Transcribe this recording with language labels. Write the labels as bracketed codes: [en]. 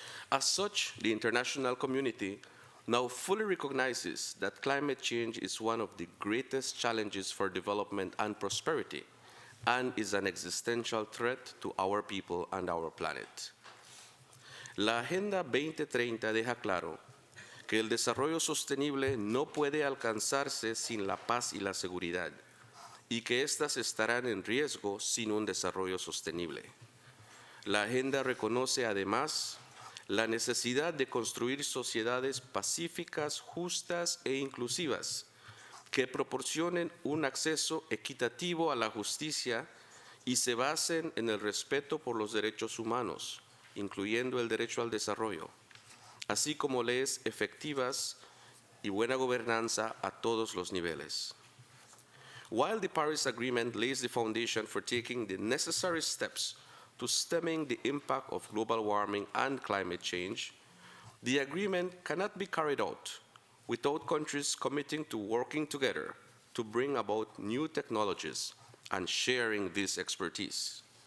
[en] As such, the international community now fully recognizes that climate change is one of the greatest challenges for development and prosperity, and is an existential threat to our people and our planet. [es] La Agenda 2030 deja claro que el desarrollo sostenible no puede alcanzarse sin la paz y la seguridad, y que estas estarán en riesgo sin un desarrollo sostenible. La agenda reconoce además la necesidad de construir sociedades pacíficas, justas e inclusivas que proporcionen un acceso equitativo a la justicia y se basen en el respeto por los derechos humanos, incluyendo el derecho al desarrollo, así como leyes efectivas y buena gobernanza a todos los niveles. [en] While the Paris Agreement lays the foundation for taking the necessary steps to stemming the impact of global warming and climate change, the agreement cannot be carried out without countries committing to working together to bring about new technologies and sharing this expertise.